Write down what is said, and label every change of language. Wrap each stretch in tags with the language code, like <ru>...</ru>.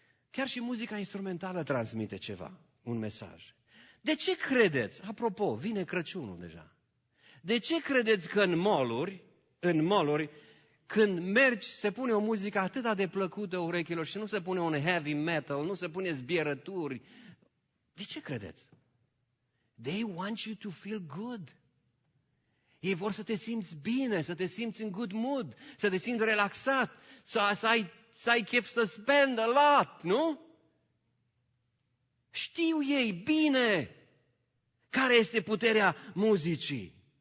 <ro>Chiar și muzica instrumentală transmite ceva, un mesaj. De ce credeți, apropo, vine Crăciunul deja, de ce credeți că în moluri, când mergi, se pune o muzică atât de plăcută urechilor și nu se pune un heavy metal, nu se pune zbierături? De ce credeți?</ro> <en>They want you to feel good.</en> <ro>Ei vor să te simți bine, să te simți în good mood, să te simți relaxat, să ai chef să</ro> <en>spend a lot,</en> <ro>nu? Știu ei bine care este puterea muzicii.</ro>